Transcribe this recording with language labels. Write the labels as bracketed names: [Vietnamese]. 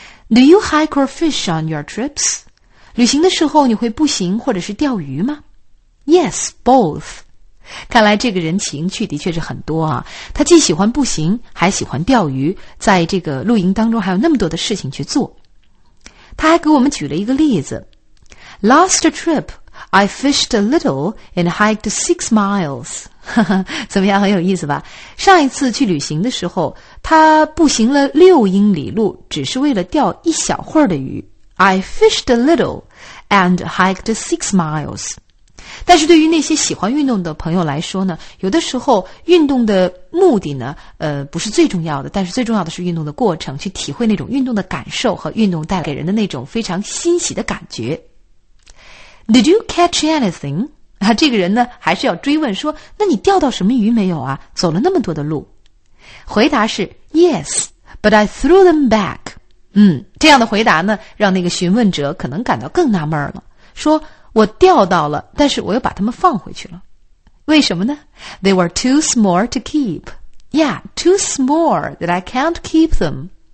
[English] Do you hike or fish on your trips? [Chinese] 旅行的时候你会步行或者是钓鱼吗？ [English] Yes, both. [Chinese] 看来这个人情趣的确是很多啊，他既喜欢步行还喜欢钓鱼，在这个露营当中还有那么多的事情去做。他还给我们举了一个例子。 [English] Last trip, I fished a little and hiked 6 miles. [Chinese] 怎么样，很有意思吧？上一次去旅行的时候他步行了6英里路，只是为了钓一小会儿的鱼。 [English] I fished a little and hiked 6 miles. [Chinese] 但是对于那些喜欢运动的朋友来说呢，有的时候运动的目的呢不是最重要的，但是最重要的是运动的过程，去体会那种运动的感受和运动带给人的那种非常欣喜的感觉。 [English] Did you catch anything? [Chinese] 这个人呢还是要追问说，那你钓到什么鱼没有啊，走了那么多的路。回答是 [English] Yes, but I threw them back. [Chinese] 这样的回答呢让那个询问者可能感到更纳闷了，说我钓到了但是我又把它们放回去了。为什么呢？ [English] They were too small to keep. Yeah, too small that I can't keep them.